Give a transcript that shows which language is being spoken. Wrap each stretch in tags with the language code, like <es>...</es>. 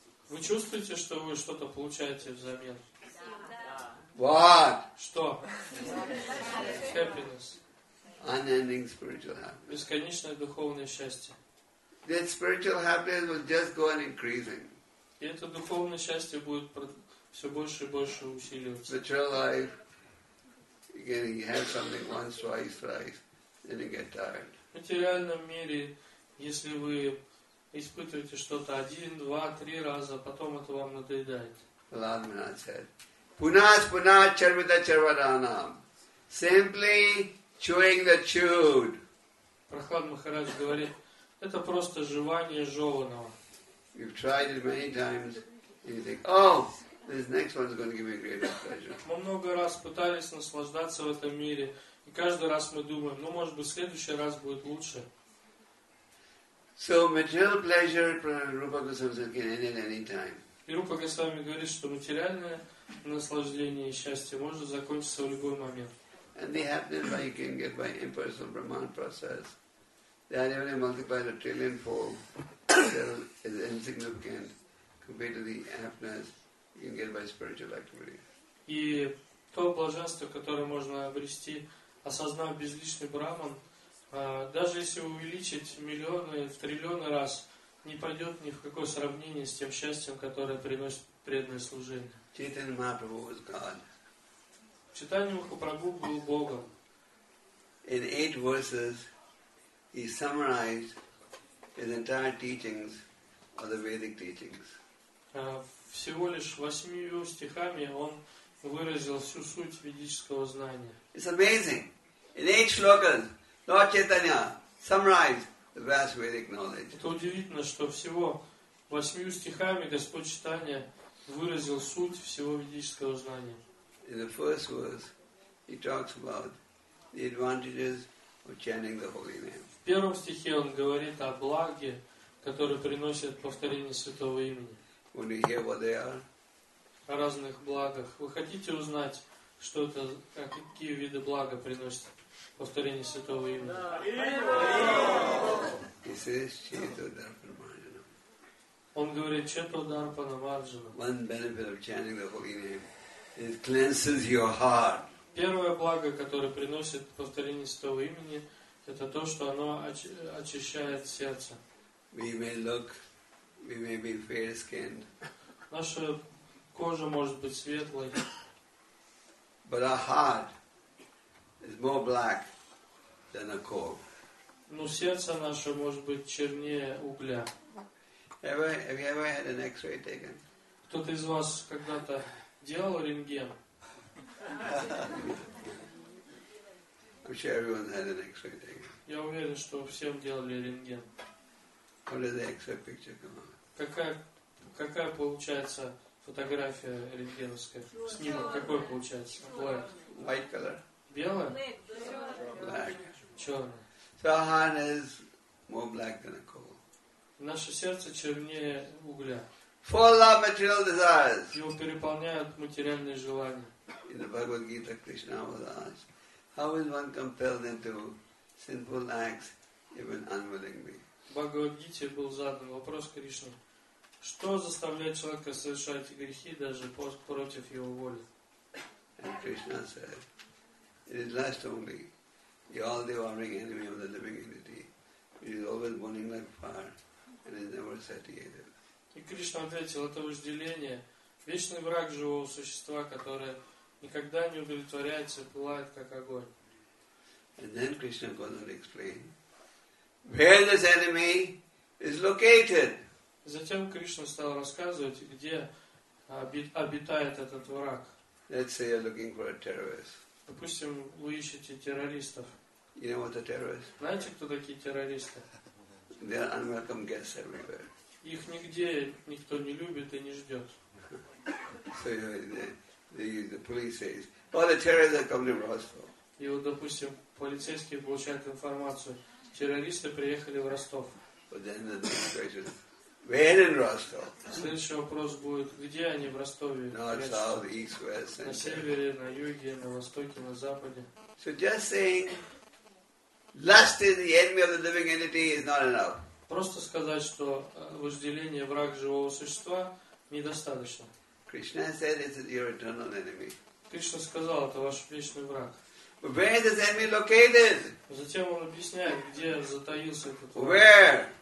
<ru>Вы чувствуете, что вы что-то получаете взамен? Да.</ru> <en>What?</en> <ru>Что?</ru> <en>Happiness. Unending spiritual happiness.</en> <ru>Бесконечное духовное счастье.</ru> <en>That spiritual happiness will just go on increasing.</en> <ru>И это духовное счастье будет все больше и больше усиливаться.</ru> <en>Material life, again, you have something once, twice, thrice, then you get tired.</en> <ru>В материальном мире, если вы испытываете что-то один, два, три раза, потом это вам надоедает.</ru> <en>Prahlad Maharaj said,</en> <sa>Punas Punas Charmita Charvaranam.</sa> <en>Simply chewing the chewed.</en> <ru>Прахлад Махарадж говорит, это просто жевание жеванного.</ru> <en>You've tried it many times, and you think, oh, this next one is going to give me greater pleasure.</en> <ru>Мы много раз пытались наслаждаться в этом мире, и каждый раз мы думаем, ну, может быть, в следующий раз будет лучше.</ru> <en>So material pleasure, Prabhupada Rupa Goswami said, can end at any time.</en> <ru>И Рупа Госвами говорит, что материальное наслаждение и счастье может закончиться в любой момент.</ru> <en>And they happen by you can get by impersonal Brahman process. They are even multiplied a trillion fold. Still is insignificant compared to the happiness you can get by spiritual activity.</en> <ru>И то блаженство, которое можно обрести, осознав безличный Брахман, даже если увеличить в миллионы, в триллионы раз, не пойдет ни в какое сравнение с тем счастьем, которое приносит преданное служение.</ru> <en>Чайтанья Махапрабху was God.</en> <ru>Чайтанья Махапрабху был Богом.</ru> <en>In eight verses, he summarized his entire teachings of the Vedic teachings.</en> <ru>Всего лишь восьмию стихами он выразил всю суть ведического знания.</ru> <en>It's amazing. In eight shlokas, Lord Chaitanya summarized the vast Vedic knowledge.</en> <ru>Это удивительно, что всего восьмию стихами Господь Чайтанья выразил суть всего ведического знания.</ru> <en>In the first verse, he talks about the advantages of chanting the holy name.</en> <ru>В первом стихе он говорит о благе, которое приносит повторение святого имени.</ru> <en>When you hear what they are.</en> <ru>О разных благах. Вы хотите узнать, что это, какие виды блага приносят? Повторение святого имени.</ru> <en>He says,</en> <sa>Чхетва Дарпана Марджана.</sa> <ru>Он говорит,</ru> <sa>Чхетва Дарпана Марджана.</sa> <en>One benefit of chanting the holy name, it cleanses your heart.</en> <ru>Первое благо, которое приносит повторение святого имени, это то, что оно очищает сердце.</ru> <en>We may look, we may be fair-skinned.</en> <ru>Наша кожа может быть светлой.</ru> <en>But our heart is more black than a coal.</en> <ru>Но сердце наше может быть чернее угля.</ru> <en>Have you ever had an X-ray taken?</en> <ru>Кто-то из вас когда-то делал рентген?</ru> <en>I'm sure everyone had an X-ray taken.</en> <ru>Я уверен, что всем делали рентген.</ru> <en>How did the X-ray picture come out?</en> <ru>Какая получается фотография рентгеновская? Снимок какой получается?</ru> <en>Black. White color.</en> <ru>Белое?</ru> <en>Black.</en> <ru>Черное.</ru> <en>So our heart is more black than a coal.</en> <ru>Наше сердце чернее угля.</ru> <en>Full of material desires.</en> <ru>Его переполняют материальные желания.</ru> <en>In the Bhagavad Gita, Krishna was asked, how is one compelled into sinful acts even unwillingly?</en> <ru>В Бхагавад Гите был задан вопрос Кришне, что заставляет человека совершать грехи даже против его воли?</ru> <en>And Krishna said, it is last only. You all day warming enemy of the living entity. It is always burning like fire and is never satiated.</en> <ru>И Кришна ответил, это вожделение, вечный враг живого существа, которое никогда не удовлетворяется, пылает как огонь.</ru> <en>And then Krishna goes on to explain where this enemy is located.</en> <ru>Затем Кришна стал рассказывать, где обитает этот враг.</ru> <en>Let's say you're looking for a terrorist.</en> <ru>Допустим, вы ищете террористов.</ru> <en>You know what a terrorist?</en> <ru>Знаете, кто такие террористы?</ru> <en>They are unwelcome guests everywhere.</en> <ru>Их нигде никто не любит и не ждет.</ru> <en>So the police says, "Oh, the terrorists are coming to Rostov."</en> <ru>И вот, допустим, полицейские получают информацию: террористы приехали в Ростов.</ru> <en>But then the next question: where in Rostov?</en> <ru>Следующий вопрос будет: где они в Ростове?</ru> <en>North, south, east, west,</en> <ru>на севере, на юге, на востоке, на западе.</ru> <en>So just saying, lust is the enemy of the living entity is not enough.</en> <ru>Просто сказать, что вожделение враг живого существа, недостаточно.</ru> <en>Krishna said, "This is your eternal enemy."</en> <ru>Кришна сказал, это ваш вечный враг.</ru> <en>Where is the enemy located?</en> <ru>Затем он объясняет, где затаился этот враг.</ru>